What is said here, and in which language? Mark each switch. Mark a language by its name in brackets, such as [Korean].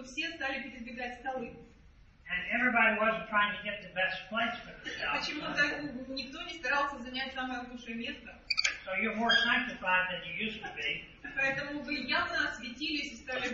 [English] And everybody wasn't trying to get the best place for themselves. [Russian] Почему-то никто не старался занять самое лучшее место. [English] So you're more sanctified than you used to be. [Russian] Поэтому вы явно осветились и стали